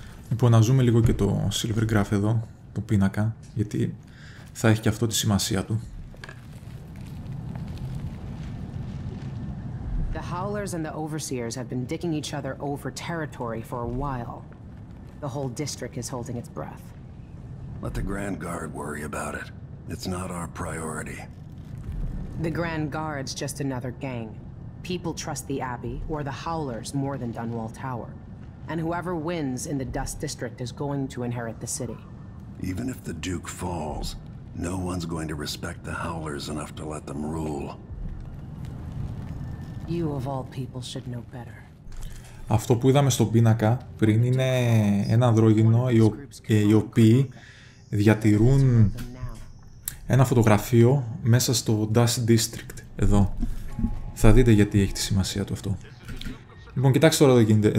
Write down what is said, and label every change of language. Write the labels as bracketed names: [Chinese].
[Greek] Λοιπόν, να ζούμε λίγο και το Silvergraph εδώ, το πίνακα, γιατί θα έχει και αυτό τη σημασία του. [English] The Howlers and the Overseers have been digging each other over territory for a while. The whole district is holding its breath. Let the Grand Guard worry about it. It's not our priority. The Grand Guard's just another gang. People trust the Abbey or the Howlers more than Dunwall Tower. And whoever wins in the Dust District is going to inherit the city. Even if the Duke falls, no one's going to respect the Howlers enough to let them rule. You of all people should know better. [Greek] Αυτό που είδαμε στον πίνακα πριν είναι ένα ανδρόγυνο, οι οποίοι διατηρούν ένα φωτογραφείο μέσα στο Dust District εδώ. Θα δείτε γιατί έχει τη σημασία του αυτό. Λοιπόν, κοιτάξτε τώρα εδώ γίνεται.